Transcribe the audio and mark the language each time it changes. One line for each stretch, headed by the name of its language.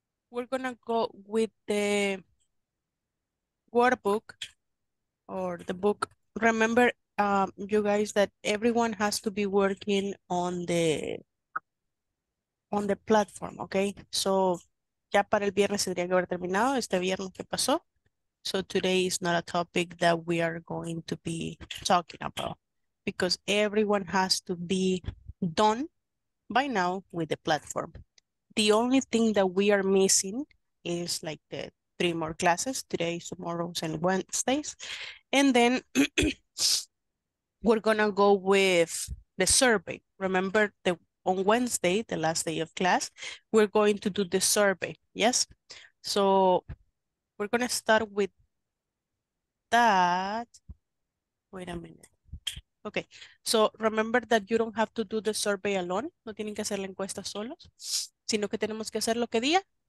English: We're gonna go with the workbook or the book. Remember, you guys, that everyone has to be working on the platform, okay?
Spanish: So, ya para el viernes tendría que haber terminado, este viernes que pasó.
English: So today is not a topic that we are going to be talking about, because everyone has to be done by now with the platform. The only thing that we are missing is like the 3 more classes, today, tomorrow, and Wednesdays. And then we're gonna go with the survey. Remember, on Wednesday, the last day of class, we're going to do the survey, yes? So we're gonna start with that. Wait a minute. Okay, so remember that you don't have to do the survey alone.
Spanish: No tienen que hacer la encuesta solos, sino que tenemos que hacer lo que día.